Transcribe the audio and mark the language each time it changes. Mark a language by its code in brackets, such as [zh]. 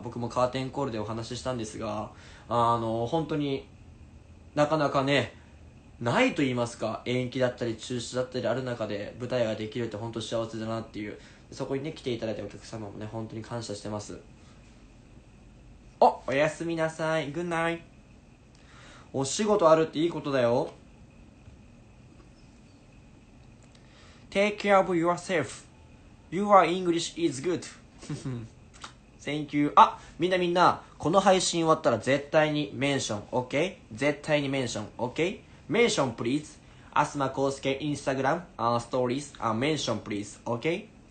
[ja] 僕もカーテンコールでお話ししたんですが、本当になかなかねないと言いますか、延期だったり中止だったりある中で舞台ができるって本当幸せだなっていう、そこにね来ていただいたお客様もね本当に感謝してます。お、おやすみなさい、グッナイ。お仕事あるっていいことだよ。 [en] Take care of yourself. Your English is goodThank you. [ja] あ、みんな、この配信終わったら絶対にメンション、OK? 絶対にメンション、OK? メンション、please. アスマコウスケ、インスタグラム、ストーリーズ、メンション、please. [en] OK?